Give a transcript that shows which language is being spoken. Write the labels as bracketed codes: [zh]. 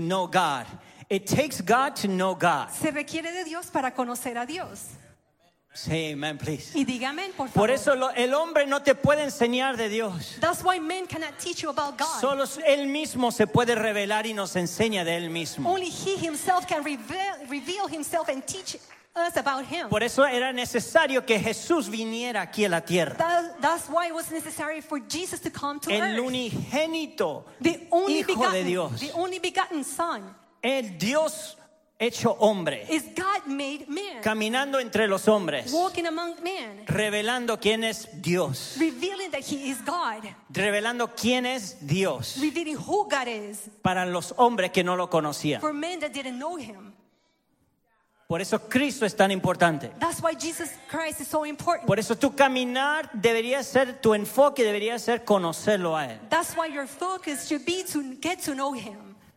[en] know God. It takes God to know God. [es] Se requiere de Dios para conocer a Dios. [en] Say amen, please. [es] Y diga amén, por favor. Por eso el hombre no te puede enseñar de Dios. [en] That's why men cannot teach you about God. [es] Solo él mismo se puede revelar y nos enseña de él mismo. [en] Only he himself can reveal himself and teach us about him. [es] Por eso era necesario que Jesús viniera aquí a la tierra. [en] That's why it was necessary for Jesus to come to [es] el [en] earth. [es] El unigénito, [en] the only [es] Hijo [en] begotten, [es] de Dios. [en] The only begotten Son. [es] El Dios hecho hombre. [en] Is God made man. [es] Caminando entre los hombres. [en] Walking among men. [es] Revelando quién es Dios. [en] Revealing that he is God. [es] Revelando quién es Dios. [en] Revealing who God is. [es] Para los hombres que no lo conocían. [en] For men that didn't know him. [es] Por eso Cristo es tan importante. [en] That's why Jesus Christ is so important. [es] Por eso tu caminar debería ser, tu enfoque debería ser conocerlo a él. [en] That's why your focus should be to get to know him.